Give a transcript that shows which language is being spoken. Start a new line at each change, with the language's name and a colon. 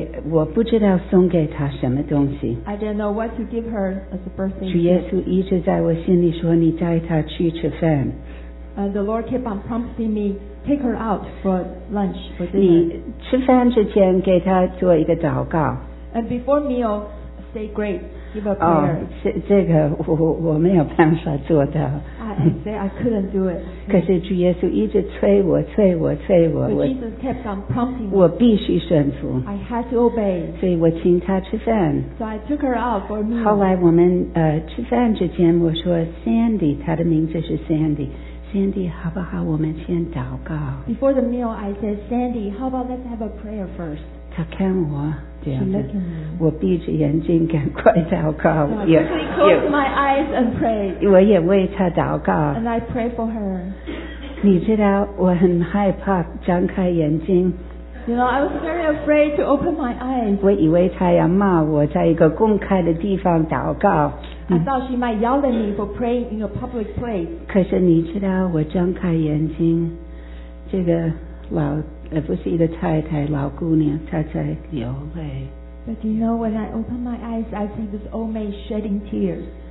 Chinese: 我不知道送给她什么东西。
English: I didn't know what to give her as a birthday.
Chinese: 主耶稣一直在我心里说，你带她去吃饭。
English: The Lord kept on prompting me, take her out for lunch, for dinner.
Chinese: 你吃饭之前给她做一个祷告。
English: And before meal, say grace. Give a prayer.
Chinese: 这个我没有办法做到。
English: I say I couldn't do it.
Chinese: 可是主耶稣一直催我。
English: But Jesus kept on prompting me.
Chinese: 我必须顺服。
English: I had to obey.
Chinese: 所以我请他吃饭。
English: So I took her out for me.
Chinese: 后来我们, 吃饭之前我说, Sandy, 她的名字是 Sandy, Sandy, 好不好我们先祷告。
English: Before the meal, I said, Sandy, how about let's have a prayer first?
Chinese: 她看我。我闭着眼睛赶快祷告,
English: so I quickly closed my eyes and prayed.
Chinese: 我也为她祷告,
English: and I pray for her.
Chinese: 你知道我很害怕张开眼睛,
English: you know, I was very afraid to open my eyes.
Chinese: 我以为她要骂我在一个公开的地方祷告,
English: I thought she might yell at me for praying in a public place.
Chinese: 可是你知道我张开眼睛, 这个老, 不是一个太太,老姑娘,她在流泪。
English: But you know, when I open my eyes, I see this old maid shedding tears.